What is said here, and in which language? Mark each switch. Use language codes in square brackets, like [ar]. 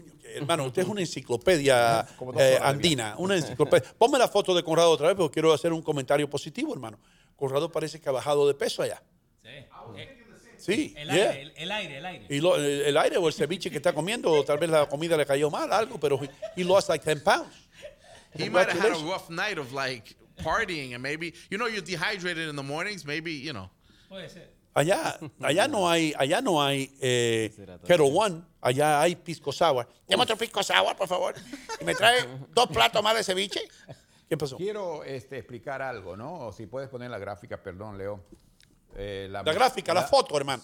[es] Hermano, usted es una enciclopedia andina. Una enciclopedia. Ponme la foto de Conrado otra vez, porque quiero hacer un comentario positivo, hermano. Conrado parece que ha bajado de peso allá. Sí, el aire o el ceviche que está comiendo, o tal vez la comida le cayó mal, algo, pero [en] he lost like 10 pounds. He might have had a rough night of like partying, and maybe, you know, you're dehydrated in the mornings, maybe, you know. [es] Allá no hay Kettle One, allá hay Pisco Sour. Deme otro Pisco Sour, por favor. Y me trae dos platos más de ceviche. ¿Qué pasó? Quiero explicar algo, ¿no? O si puedes poner la gráfica, perdón, Leo. La foto, hermano.